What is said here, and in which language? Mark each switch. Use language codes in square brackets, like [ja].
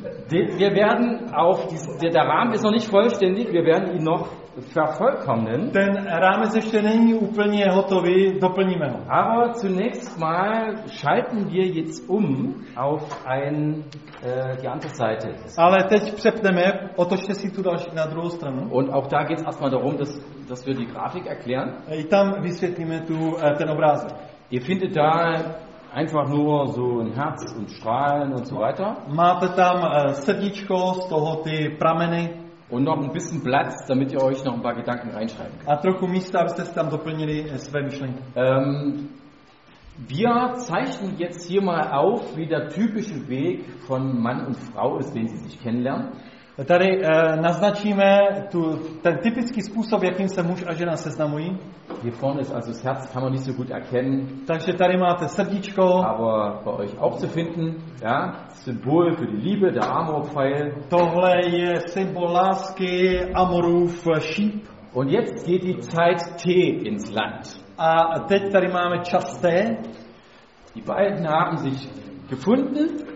[de] Wir werden auf diesen, der Rahmen ist noch nicht vollständig, wir werden ihn noch vervollkommnen. [cs] Ten Rahmen ještě není úplně hotový, doplníme ho. [de] Aber zunächst mal schalten wir jetzt auf die andere Seite. [cs] Ale teď přepneme, otočte si tu další na druhou stranu. [de] Und auch da geht's erstmal darum, dass wir die Grafik erklären. [cs] I tam vysvětlíme tu ten obrázek. [de] Ihr findet da einfach nur so ein Herz und Strahlen und so weiter. [cs] Máte tam srdíčko, z toho ty prameny. [de] Und noch ein bisschen Platz, damit ihr euch noch ein paar Gedanken reinschreiben könnt. [cs] A trochu místa, abyste si tam doplnili své myšlenky. [de] Wir zeichnen jetzt hier mal auf, wie der typische Weg von Mann und Frau ist, wenn sie sich kennenlernen. [cs] Tady naznačíme ten typický způsob, jakým se muž a žena seznamují. [de] Hier vorne ist also das Herz, kann man nicht so gut erkennen. [cs] Takže tady máte srdíčko. [de] Aber bei euch auch zu finden, ja, Symbol für die Liebe, der Amorpfeil. [cs] Tohle je symbol lásky, Amorův šíp. [de] Und jetzt geht die Zeit T ins Land. [cs] A teď tady máme čas T. [de] Die beiden haben sich gefunden.